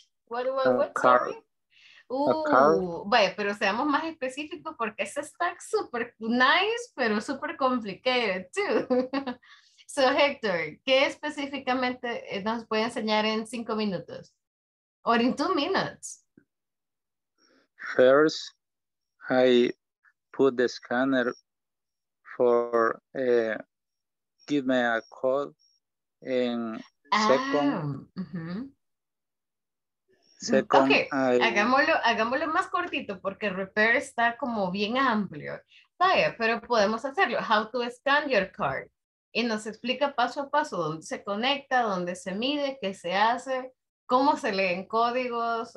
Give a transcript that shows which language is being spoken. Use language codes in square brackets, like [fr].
[es] Vaya, pero seamos más específicos porque ese stack es [en] super nice, [es] pero [en] super complicated too. [es] So, Hector, ¿qué específicamente nos puede enseñar en 5 minutos? [en] Or in 2 minutes? First, I put the scanner for give me a code. And second, [es] Second, okay, hagámoslo más cortito porque repair está como bien amplio. Vaya, pero podemos hacerlo. [en] How to scan your car. [es] Y nos explica paso a paso dónde se conecta, dónde se mide, qué se hace, cómo se leen códigos.